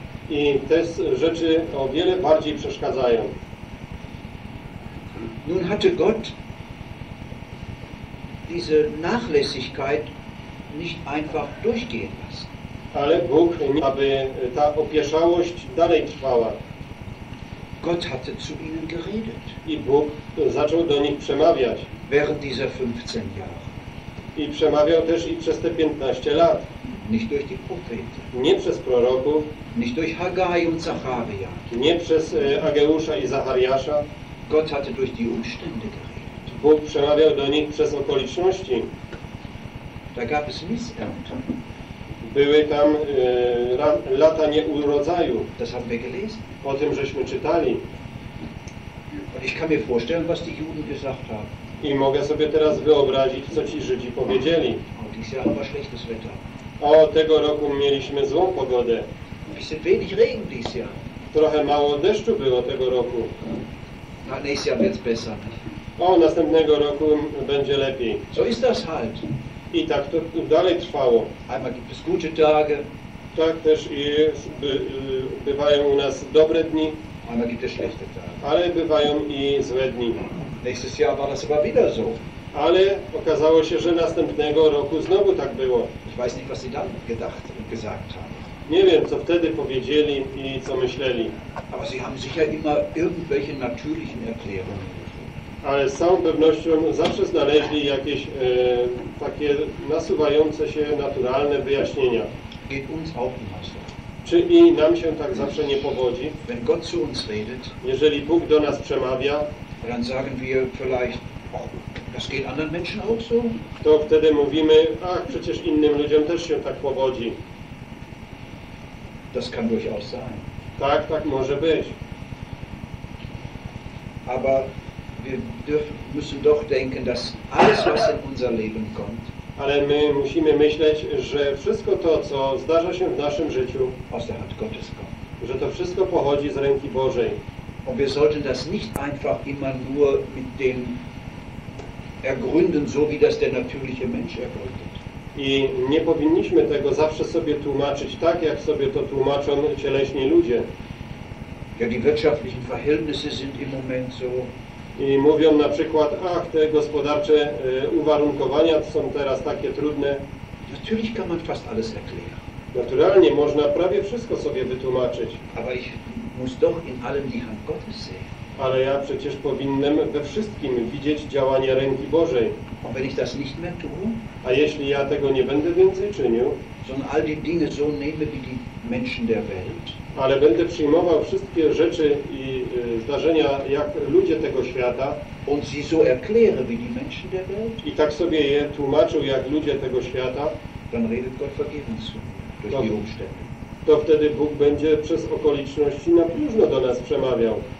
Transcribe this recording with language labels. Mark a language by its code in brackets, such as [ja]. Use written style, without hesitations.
[pl] I te rzeczy o wiele bardziej przeszkadzają. [de] Nun hatte Gott diese Nachlässigkeit nicht einfach durchgehen lassen. [pl] Ale Bóg, aby ta opieszałość dalej trwała. [de] Gott hatte zu ihnen geredet. [pl] I Bóg zaczął do nich przemawiać. [de] Während dieser 15 Jahre. [pl] I przemawiał też i przez te 15 lat. [de] Nicht durch die Propheten. [pl] Nie przez proroków. [de] Nicht durch Haggai und Zacharia. [pl] Nie przez Ageusza i Zachariasza. [de] Gott hatte durch die Umstände geredet. [pl] Bóg przemawiał do nich przez okoliczności. [de] Da gab es Missernte. [pl] Były tam lata nieurodzaju. [de] Das haben wir gelesen. [pl] O tym żeśmy czytali. [de] Und ich kann mir vorstellen, was die Juden gesagt haben. [pl] I mogę sobie teraz wyobrazić, co ci Żydzi powiedzieli. [de] Oh, dieses Jahr war schlechtes Wetter. [pl] O, tego roku mieliśmy złą pogodę. [de] Ein bisschen wenig Regen dieses Jahr. [pl] Trochę mało deszczu było tego roku. [de] Na nächstes Jahr wird's besser. [pl] O, następnego roku będzie lepiej. [de] So ist das halt. [pl] I tak to dalej trwało. [de] Einmal gibt es gute Tage. [pl] Tak też i bywają u nas dobre dni. [de] Einmal gibt es schlechte Tage. [pl] Ale bywają i złe dni. [de] Nächstes Jahr war das aber wieder so. [pl] Ale okazało się, że następnego roku znowu tak było. [de] Ich weiß nicht, was sie dann gedacht und gesagt haben. [pl] Nie wiem, co wtedy powiedzieli i co myśleli. [de] Aber sie haben sicher immer irgendwelche natürlichen Erklärungen. [pl] Ale z całą pewnością zawsze znaleźli jakieś takie nasuwające się naturalne wyjaśnienia. [de] Geht uns auch immer so. [pl] Czy i nam się tak zawsze nie powodzi? [de] Wenn Gott zu uns redet, [pl] jeżeli Bóg do nas przemawia, [de] dann sagen wir vielleicht, oh, Das geht anderen Menschen auch so? [pl] To wtedy mówimy, ach, przecież innym ludziom też się tak powodzi. [de] Das kann durchaus sein. [pl] Tak, tak może być. [de] Aber wir müssen doch denken, dass alles, was in unser Leben kommt, [pl] ale my musimy myśleć, że wszystko to, co zdarza się w naszym życiu, [de] aus der Hand Gottes kommt. [pl] Że to wszystko pochodzi z ręki Bożej. [de] Und wir sollten das nicht einfach immer nur mit dem ergründen, so wie das der natürliche Mensch ergründet. [pl] I nie powinniśmy tego zawsze sobie tłumaczyć tak, jak sobie to tłumaczą cieleśni ludzie. [de] Ja, die wirtschaftlichen Verhältnisse sind im Moment so. [pl] I mówią na przykład, ach, te gospodarcze uwarunkowania są teraz takie trudne. [de] Natürlich kann man fast alles erklären. [pl] Naturalnie można prawie wszystko sobie wytłumaczyć. [de] Aber ich muss doch in allem die Hand Gottes sehen. [pl] Ale ja przecież powinienem we wszystkim widzieć działanie ręki Bożej. [de] Und wenn ich das nicht mehr tue, [pl] a jeśli ja tego nie będę więcej czynił, [de] sondern all die Dinge so nehme wie die Menschen der Welt, [pl] ale będę przyjmował wszystkie rzeczy i zdarzenia jak ludzie tego świata, [de] und sie so erkläre wie die Menschen der Welt, [pl] i tak sobie je tłumaczył jak ludzie tego świata, [de] dann redet Gott vergebens durch die Umstände. [pl] To wtedy Bóg będzie przez okoliczności na próżno do nas przemawiał.